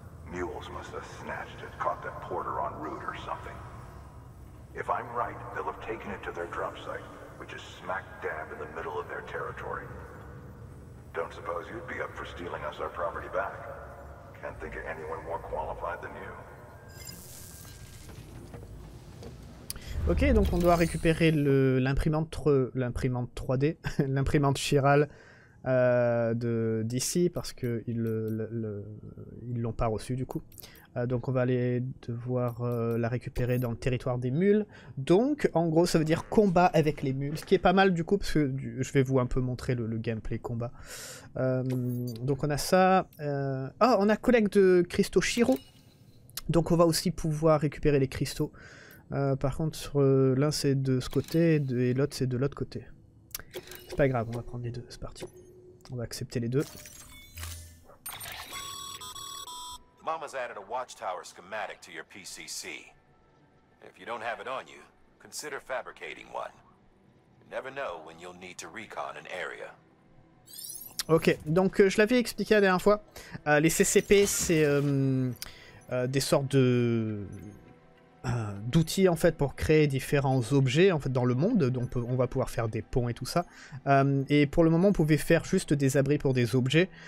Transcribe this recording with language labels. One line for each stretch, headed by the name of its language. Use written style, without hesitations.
English: Mules must have snatched it, caught that porter en route or something. If I'm right, they'll have taken it to their drop site, which is smack dab in the middle of their territory. Don't suppose you'd be up for stealing us our property back. Can't think of anyone more qualified than you.
French: Ok, donc on doit récupérer l'imprimante 3D, l'imprimante chirale d'ici, parce qu'ils ils l'ont pas reçu du coup. Donc on va aller devoir la récupérer dans le territoire des mules. Donc en gros ça veut dire combat avec les mules, ce qui est pas mal du coup, parce que je vais vous un peu montrer le gameplay combat. Donc on a ça. Oh, on a collecte de cristaux Shiro. Donc on va aussi pouvoir récupérer les cristaux. Par contre, l'un c'est de ce côté et l'autre c'est de l'autre côté. C'est pas grave, on va prendre les deux, c'est parti. On va accepter les deux.
English: Mama's added a watchtower schematic to your PCC. If you don't have it on you, consider fabricating one. You never know when you'll need to recon an area.
French: Ok, donc je l'avais expliqué la dernière fois. Les CCP, c'est des sortes de... d'outils en fait pour créer différents objets en fait dans le monde, donc on va pouvoir faire des ponts et tout ça, et pour le moment on pouvait faire juste des abris pour des objets.